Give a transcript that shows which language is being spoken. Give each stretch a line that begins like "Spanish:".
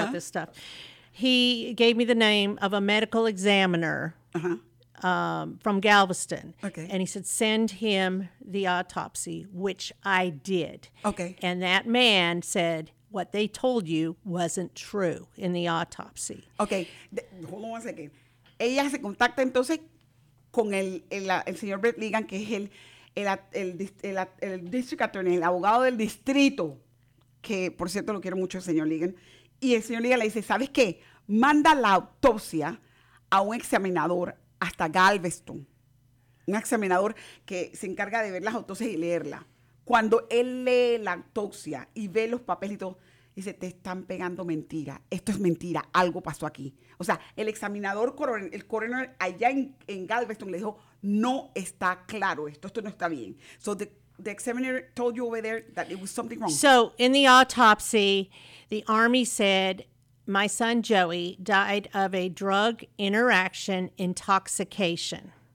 English: about this stuff. He gave me the name of a medical examiner uh-huh. From Galveston. Okay. And he said, send him the autopsy, which I did. Okay. And that man said... What they told you wasn't true in the autopsy. Okay, hold on 1 second.
Spanish: Ella se contacta entonces con el señor Brett Ligon, que es el district attorney, el abogado del distrito, que por cierto lo quiero mucho, el señor Ligon. Y el señor Ligon le dice, ¿sabes qué? Manda la autopsia a un examinador hasta Galveston. Un examinador que se encarga de ver las autopsias y leerlas. Cuando él lee la autopsia y ve los papeles y todo, dice, te están pegando mentira. Esto es mentira. Algo pasó aquí. O sea, el examinador, el coroner allá en Galveston le dijo, no está claro esto. Esto no está bien.
English: So the examiner told you over there that it was something wrong. So in the autopsy, the army said, my son Joey died of a drug interaction intoxication.